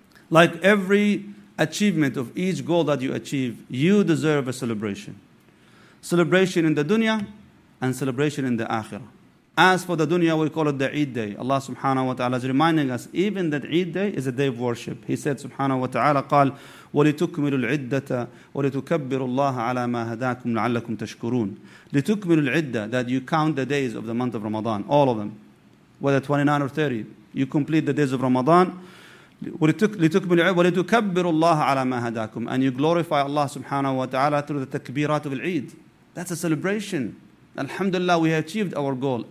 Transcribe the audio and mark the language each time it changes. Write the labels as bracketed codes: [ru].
[en] Like every achievement of each goal that you achieve, you deserve a celebration. Celebration in the dunya and celebration in the akhirah. As for the dunya, we call it the Eid day. Allah subhanahu wa ta'ala is reminding us, even that Eid day is a day of worship. He said [ar] subhanahu wa ta'ala, قال, وَلِتُكْمِلُوا الْعِدَّةَ وَلِتُكَبِّرُوا اللَّهَ عَلَى مَا هَدَاكُمْ لَعَلَّكُمْ تَشْكُرُونَ. لِتُكْمِلُوا الْعِدَّةَ, [en] that you count the days of the month of Ramadan, all of them, whether 29 or 30, you complete the days of Ramadan. [ar] وَلِتُكَبِّرُوا اللَّهَ عَلَى مَا هَدَاكُمْ, [en] and you glorify Allah subhanahu wa ta'ala through the takbirat of Eid. That's a celebration. Alhamdulillah, we have achieved our goal.